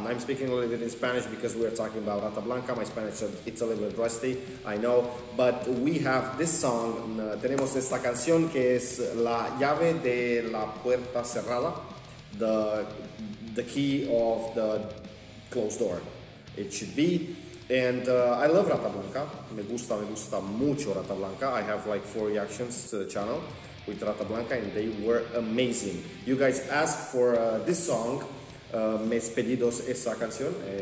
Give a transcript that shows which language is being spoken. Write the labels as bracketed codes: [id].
[en] I'm speaking a little bit in Spanish because we are talking about Rata Blanca. My Spanish, it's a little bit rusty, I know. But we have this song. [es] Tenemos esta canción que es la llave de la puerta cerrada. [en] The key of the closed door, it should be. And I love Rata Blanca. [es] Me gusta mucho Rata Blanca. [en] I have like 4 reactions to the channel with Rata Blanca, and they were amazing. You guys asked for this song, [es] me has pedido esa canción.